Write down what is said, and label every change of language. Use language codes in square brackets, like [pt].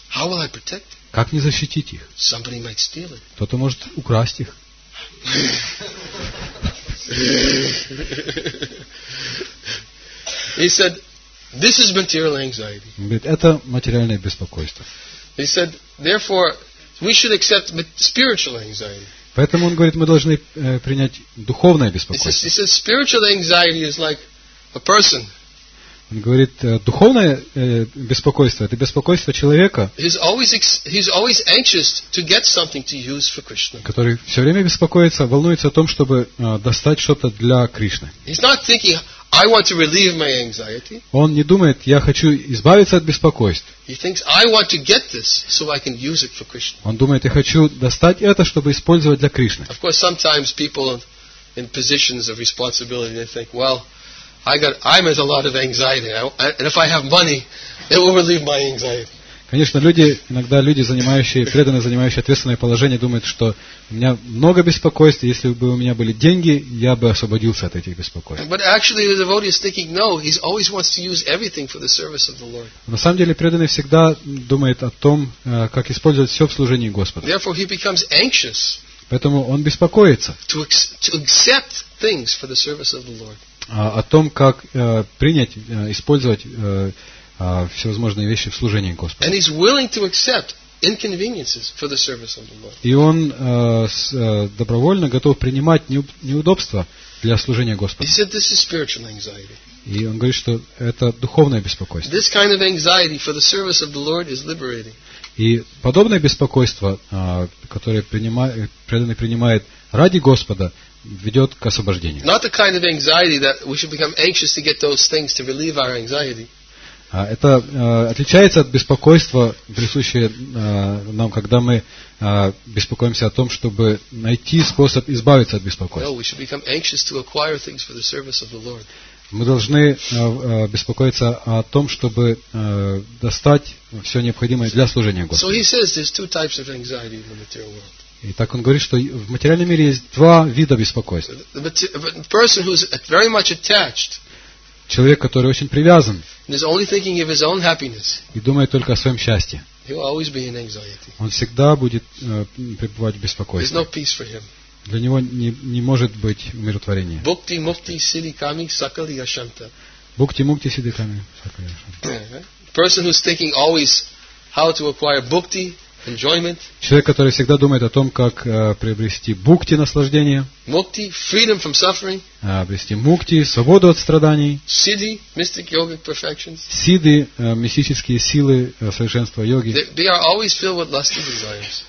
[en] How will I protect it? [ru] Как мне защитить их? [en] Somebody might steal it. [ru] Кто-то может украсть их. [en] He said, this is material anxiety. [ru] Говорит, это материальное беспокойство. [en] He said, therefore, we should accept spiritual anxiety. [ru] Поэтому он говорит, мы должны принять духовное беспокойство. [en] He says, spiritual anxiety is like a person. [ru] Он говорит, духовное беспокойство — это беспокойство человека, который все время беспокоится, волнуется о том, чтобы достать что-то для Кришны. [en] He's not thinking, I want to relieve my anxiety. [ru] Он не думает, я хочу избавиться от беспокойств. [en] He thinks, I want to get this so I can use it for Krishna. [ru] Он думает, я хочу достать это, чтобы использовать для Кришны. [en] Of course, sometimes people in positions of responsibility, they think, well, I'm has a lot of anxiety, and if I have money, it will relieve my anxiety. [ru] Конечно, иногда люди, занимающие преданные, занимающие ответственное положение, думают, что у меня много беспокойств, если бы у меня были деньги, я бы освободился от этих беспокойств. [en] But actually, the devotee is thinking, no, he always wants to use everything for the service of the Lord. [ru] На самом деле, преданный всегда думает о том, как использовать все в служении Господа. [en] Therefore, he becomes anxious. [ru] Поэтому он беспокоится. [en] To accept things for the service of the Lord. [ru] О том, как принять, использовать всевозможные вещи в служении Господу. [en] And he's willing to accept inconveniences for the service of the Lord. [ru] И он добровольно готов принимать неудобства для служения Господу. [en] He said, this is spiritual anxiety. [ru] И он говорит, что это духовное беспокойство. [en] This kind of anxiety for the service of the Lord is liberating. [ru] И подобное беспокойство, которое преданный принимает ради Господа, ведет к освобождению. [en] Not the kind of anxiety that we should become anxious to get those things to relieve our anxiety. [ru] Это отличается от беспокойства, присущее нам, когда мы беспокоимся о том, чтобы найти способ избавиться от беспокойства. [en] No, we should become anxious to acquire things for the service of the Lord. [ru] Мы должны беспокоиться о том, чтобы достать все необходимое для служения Господу. [en] So he says there's two types of anxiety in the material world. [ru] И так он говорит, что в материальном мире есть два вида беспокойства. [en] Person who's very much attached. [ru] Человек, который очень привязан. [en] Is only thinking of his own happiness. [ru] И думает только о своем счастье. [en] He will always be in anxiety. [ru] Он всегда будет пребывать в беспокойстве. [en] There's no peace for him. [ru] Для него не может быть умиротворения. [sa] Bhukti mukti siddhikami sakali ashanta. Bhukti mukti siddhikami sakali ashanta. [en] Person who's thinking always how to acquire bhukti. Enjoyment. [ru] Человек, который всегда думает о том, как приобрести бхукти, наслаждение. [en] Мукти, freedom from suffering. [ru] Обрести мукти, свободу от страданий. [en] Сиди, mystic yogic perfections. [ru] Сиди, мистические силы совершенства йоги. [en] They are always filled with lusty desires.